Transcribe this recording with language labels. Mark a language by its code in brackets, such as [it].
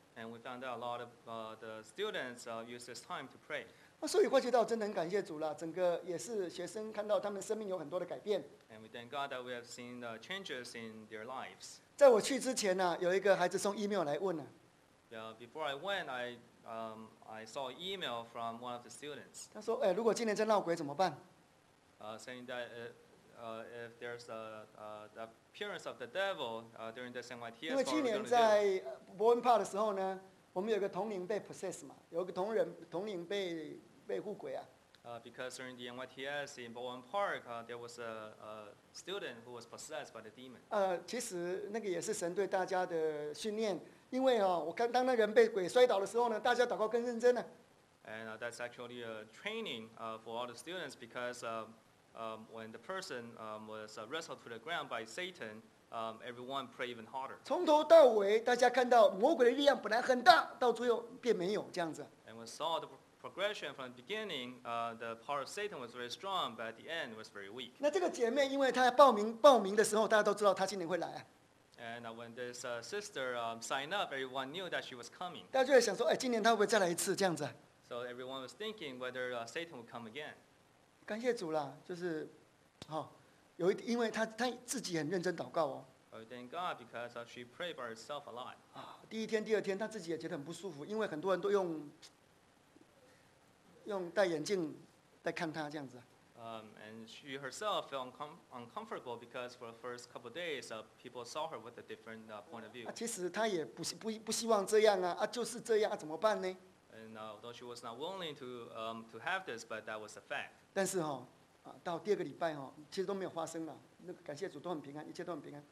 [en] And we found that a lot of the students use this time to pray. [zh] 所以发觉到真的很感谢主了，整个也是学生看到他们生命有很多的改变。 [en] And we thank God that we have seen the changes in their lives. [zh] 在我去之前呢、有一个孩子送 email 来问了。 [en] Yeah, before I went, I saw an email from one of the students. [zh] 他说：“如果今年再闹鬼怎么办？” [en] Saying that if there's the appearance of the devil during this NYTS, [zh] 因为去年在伯恩帕的时候呢，我们有个同龄被 possess 嘛，有个同龄被护鬼啊。 [en] Because during the NYTS in Bowen Park, there was a student who was possessed by the demon. [zh] 其实那个也是神对大家的训练，因为哦，我刚当那人被鬼摔倒的时候呢，大家祷告更认真了。 [en] And that's actually a training for all the students because when the person was wrestled to the ground by Satan, everyone prayed even harder. [zh] 从头到尾，大家看到魔鬼的力量本来很大，到最后便没有这样子。 [en] And we saw the progression from the beginning. The power of Satan was very strong, but at the end was very weak. [zh] 那这个姐妹，因为她报名的时候，大家都知道她今年会来、啊。 [en] And when this sister signed up, everyone knew that she was coming. [zh] 大家就在想说，今年她会不会再来一次这样子 [en] ？So everyone was thinking whether Satan would come again. [zh] 感谢主啦，就是，有一，因为他自己很认真祷告哦。 [en] I thank God because she prayed by herself a lot. [zh] 第一天、第二天，他自己也觉得很不舒服，因为很多人都用戴眼镜在看他这样子。 [en] And she herself felt uncomfortable because for the first couple of days, people saw her with a different point of view. [zh] 其实她也不希望这样啊，就是这样，怎么办呢？ [en] And although she was not willing to have this, but that was a fact. [zh] 但是到第二个礼拜，其实都没有发生了，感谢主都很平安，一切都很平安。